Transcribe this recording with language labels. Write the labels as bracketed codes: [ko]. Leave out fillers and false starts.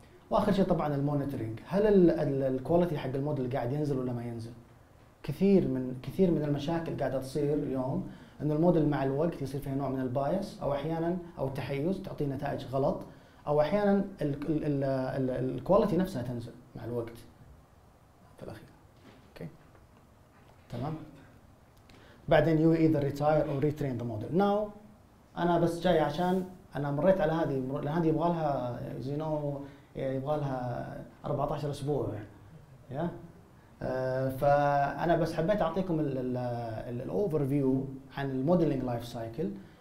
[ar] واخر شيء طبعا المونيتورينج، هل الكواليتي حق الموديل قاعد ينزل ولا ما ينزل. كثير من المشاكل قاعده تصير اليوم انه الموديل مع الوقت يصير فيه نوع من البايس او احيانا او التحيز، تعطي نتائج غلط، او احيانا الكواليتي نفسها تنزل مع الوقت في الاخير. تمام، بعدين [en] you either retire or retrain the model. [ar] Now انا بس جاي عشان انا مريت على هذه، هذه يبغى لها زي نو يبغى لها 14 اسبوع يا فانا بس حبيت اعطيكم الاوفر فيو عن الموديلنج لايف سايكل.